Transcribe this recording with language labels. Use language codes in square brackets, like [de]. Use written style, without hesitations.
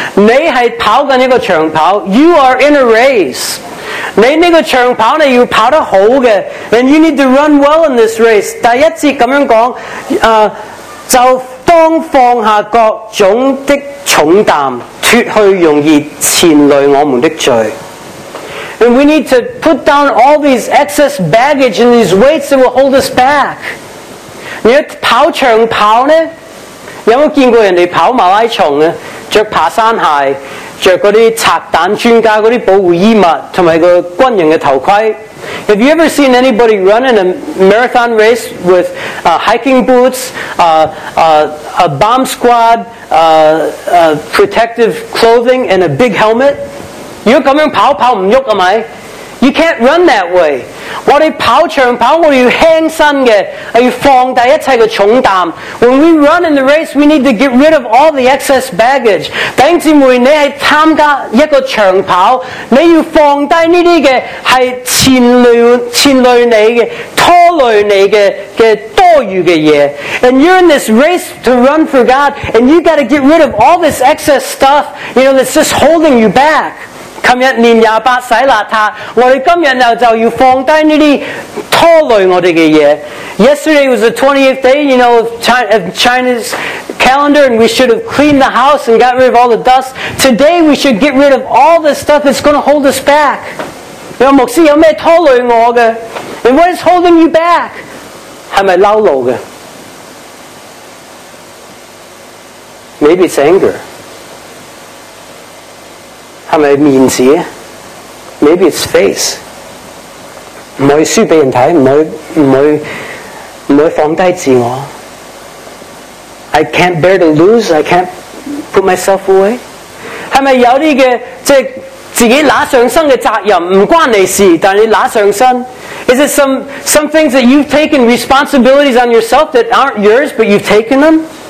[zh] 你是跑著這個長跑， [en] you are in a race。 [zh] 你這個長跑你要跑得好的， [en] and you need to run well in this race。 [zh] 第一節這樣說，就當放下各種的重擔，脫去容易纏累我們的罪。 [en] And we need to put down all these excess baggage and these weights that will hold us back. [zh] 你要跑長跑呢，有沒有見過人家跑馬拉松呢，穿爬山鞋，穿那些拆彈專家那些保護衣物，還有個軍人的頭盔。 [en] Have you ever seen anybody run in a marathon race with hiking boots, a bomb squad, protective clothing and a big helmet? [zh] 要這樣跑跑不動是嗎？ [en] You can't run that way. [zh] 我們跑長跑，我們要輕身的，要放下一切的重擔。 [en] When we run in the race, we need to get rid of all the excess baggage. [zh] 弟兄姊妹，你是參加一個長跑，你要放下這些是纏累你的，拖累你的多餘的東西。 [en] And you're in this race to run for God, and you've got to get rid of all this excess stuff, you know, that's just holding you back. [zh] 昨天年28洗邋遢，我們今天就要放下這些拖累我們的東西。 [en] Yesterday was the 28th day, you know, of China's calendar, and we should have cleaned the house and got rid of all the dust. Today we should get rid of all the stuff that's going to hold us back. [zh] 有牧師，有什麼拖累我的？ [en] And what is holding you back? [zh] 是不是嬲怒的？ [en] Maybe it's anger. [zh] 是不是面子？ [en] Maybe it's face. [zh] 不可以輸給人看，不可以放低自我。 [en] I can't bear to lose. I can't put myself away. [zh] 是不是有些的，即自己拿上身的責任，不關你事，但你拿上身？ [en] Is it some things that you've taken responsibilities on yourself that aren't yours, but you've taken them?